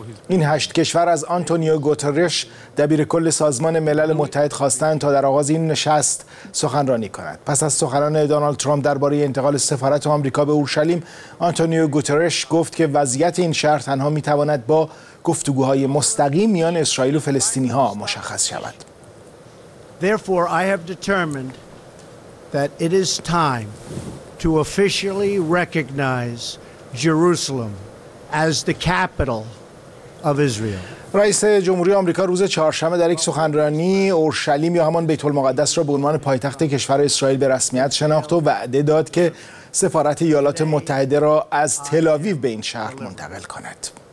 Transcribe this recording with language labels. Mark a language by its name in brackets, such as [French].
[Persian] این 8 کشور از آنتونیو گوترش، دبیر کل سازمان ملل متحد خواستند تا در آغاز این نشست سخنرانی کند. پس از سخنان دونالد ترامپ درباره انتقال سفارت آمریکا به اورشلیم، آنتونیو گوترش گفت که وضعیت این شهر تنها می‌تواند با گفتگوهای مستقیم میان اسرائیل و فلسطینی‌ها مشخص شود. [English] Therefore, I have determined that it is time to officially recognize Jerusalem as the capital of Israel. [Persian] رئیس جمهوری آمریکا روز چهارشنبه در یک سخنرانی اورشلیم یا همان بیت المقدس را به عنوان پایتخت کشور اسرائیل به رسمیت شناخت و وعده داد که سفارت ایالات متحده را از تل آویو به این شهر منتقل کند.